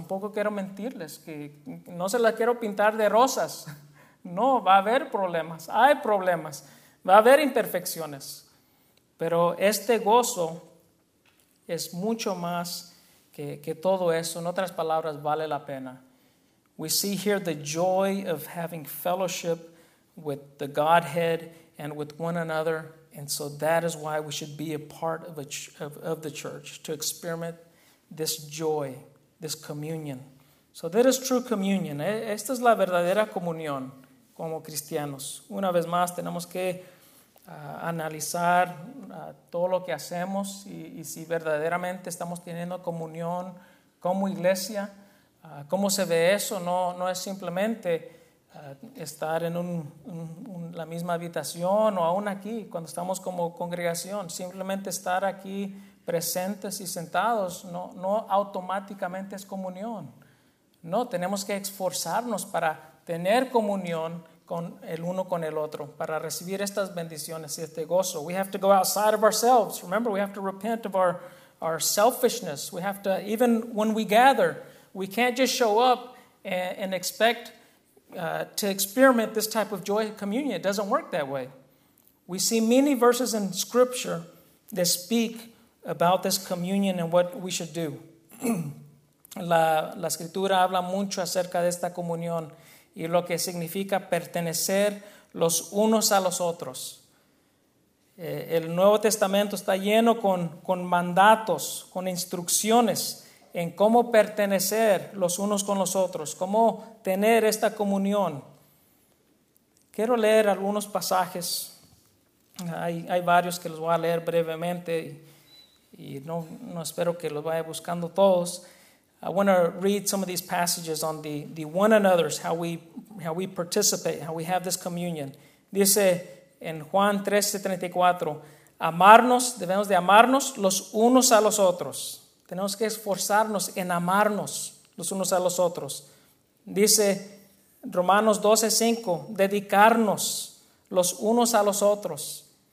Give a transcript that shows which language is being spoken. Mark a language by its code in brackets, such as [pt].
[es] Tampoco quiero mentirles, que no se las quiero pintar de rosas. No, va a haber problemas, hay problemas, va a haber imperfecciones, pero este gozo es mucho más que todo eso. En otras palabras, vale la pena. [en] We see here the joy of having fellowship with the Godhead and with one another, and so that is why we should be a part of the church, to experiment this joy, this communion. So that is true communion. [es] Esta es la verdadera comunión. Como cristianos, una vez más, tenemos que analizar todo lo que hacemos y si verdaderamente estamos teniendo comunión como iglesia. ¿Cómo se ve eso? No es simplemente estar en la misma habitación o aún aquí cuando estamos como congregación. Simplemente estar aquí presentes y sentados no automáticamente es comunión. No, tenemos que esforzarnos para tener comunión con el uno con el otro, para recibir estas bendiciones y este gozo. [en] We have to go outside of ourselves. Remember, we have to repent of our selfishness. We have to, even when we gather, we can't just show up and expect to experiment this type of joy communion. It doesn't work that way. We see many verses in Scripture that speak about this communion and what we should do. [es] La Escritura habla mucho acerca de esta comunión y lo que significa pertenecer los unos a los otros. El Nuevo Testamento está lleno con mandatos, con instrucciones en cómo pertenecer los unos con los otros, cómo tener esta comunión. Quiero leer algunos pasajes. Hay varios que los voy a leer brevemente y no espero que los vaya buscando todos. [en] I want to read some of these passages on the one another's, how we participate, how we have this communion. [es] Dice en Juan 13:34, amarnos, debemos de amarnos los unos a los otros. Tenemos que esforzarnos en amarnos los unos a los otros. Dice Romanos 12:5, dedicarnos los unos a los otros.